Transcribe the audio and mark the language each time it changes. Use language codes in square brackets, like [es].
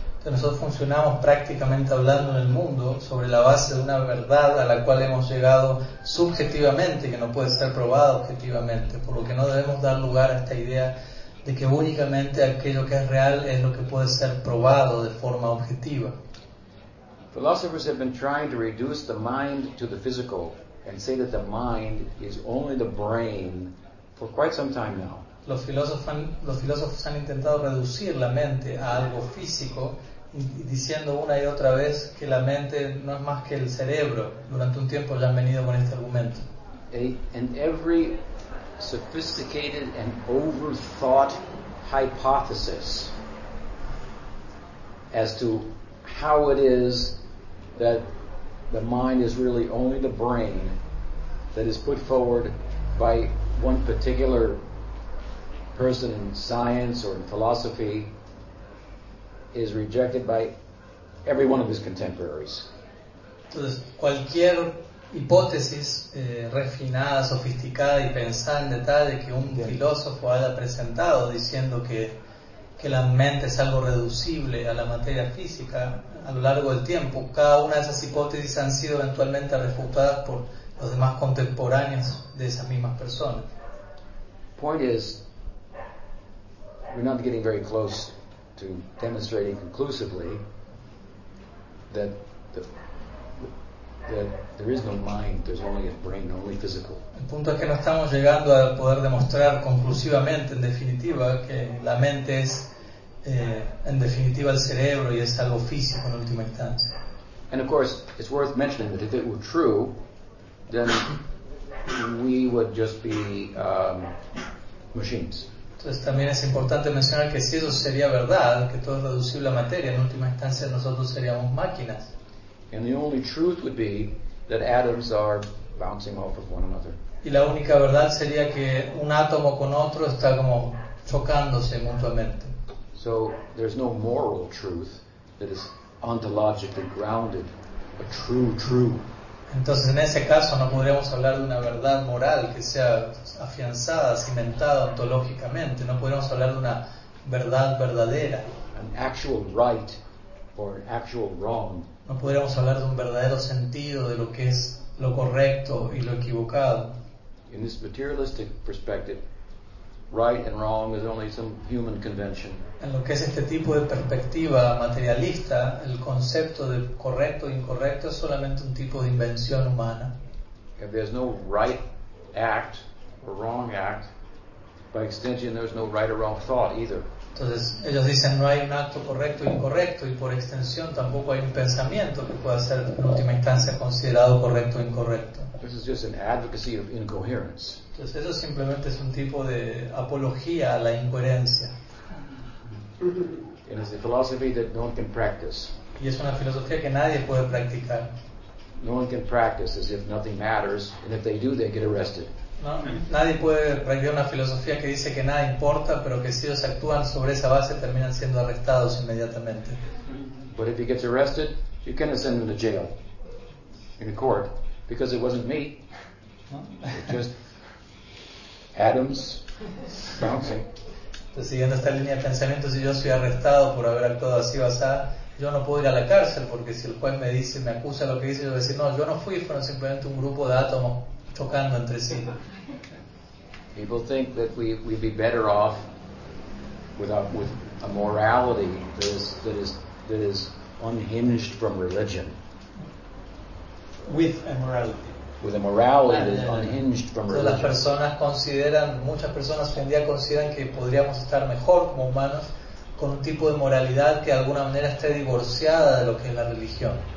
[es] Nosotros funcionamos prácticamente hablando en el mundo sobre la base de una verdad a la cual hemos llegado subjetivamente, que no puede ser probada objetivamente, por lo que no debemos dar lugar a esta idea de que únicamente aquello que es real es lo que puede ser probado de forma objetiva. [en] Philosophers have been trying to reduce the mind to the physical and say that the mind is only the brain for quite some time now. [es] Los filósofos han intentado reducir la mente a algo físico, diciendo una y otra vez que la mente no es más que el cerebro. Durante un tiempo ya han venido con este argumento. [en] And every sophisticated and overthought hypothesis as to how it is that the mind is really only the brain that is put forward by one particular person in science or in philosophy is rejected by every one of his contemporaries. [es] Entonces, cualquier hipótesis refinada, sofisticada y pensada en detalle que un filósofo haya presentado diciendo que la mente es algo reducible a la materia física a lo largo del tiempo, cada una de esas hipótesis han sido eventualmente refutadas por los demás contemporáneos de esas mismas personas. [en] Point is, we're not getting very close to demonstrating conclusively that that there is no mind, there's only a brain, only physical. [es] El punto es que no estamos llegando a poder demostrar conclusivamente, en definitiva, que la mente es, en definitiva, el cerebro y es algo físico en última instancia. [en] And of course, it's worth mentioning that if it were true, then we would just be machines. [es] Entonces también es importante mencionar que si eso sería verdad, que todo es reducible a materia, en última instancia nosotros seríamos máquinas. [en] And the only truth would be that atoms are bouncing off of one another. [es] Y la única verdad sería que un átomo con otro está como chocándose mutuamente. [en] So there's no moral truth that is ontologically grounded, a true truth. [es] Entonces en ese caso no podríamos hablar de una verdad moral que sea afianzada, cimentada ontológicamente. No podríamos hablar de una verdad verdadera. [en] An actual right or an actual wrong. [es] No podríamos hablar de un verdadero sentido de lo que es lo correcto y lo equivocado. [en] In this materialistic perspective, right and wrong is only some human convention. [es] En lo que es este tipo de perspectiva materialista, el concepto de correcto e incorrecto es solamente un tipo de invención humana. [en] If there's no right act or wrong act, by extension there's no right or wrong thought either. [es] Entonces ellos dicen no hay un acto correcto o incorrecto y por extensión tampoco hay un pensamiento que pueda ser en última instancia considerado correcto o incorrecto. [en] This is just an advocacy of incoherence. [es] Entonces eso simplemente es un tipo de apología a la incoherencia. [en] It is a philosophy that no one can practice. [es] Y es una filosofía que nadie puede practicar. [en] No one can practice as if nothing matters, and if they do, they get arrested. [es] No, nadie puede practicar una filosofía que dice que nada importa, pero que si ellos actúan sobre esa base terminan siendo arrestados inmediatamente. [en] But if he gets arrested, you can send him to jail, in a court, because it wasn't me. It just Adams bouncing. [es] Entonces, siguiendo esta línea de pensamiento, si yo soy arrestado por haber actuado así o así, yo no puedo ir a la cárcel, porque si el juez me dice, me acusa lo que dice, yo voy a decir, no, yo no fui, fueron simplemente un grupo de átomos chocando entre sí. [en] People think that we'd be better off with a morality that is unhinged from religion. With a morality. With a morality that is unhinged from religion. [es] Las personas consideran, muchas personas hoy en día consideran que podríamos estar mejor como humanos con un tipo de moralidad que de alguna manera esté divorciada de lo que es la religión.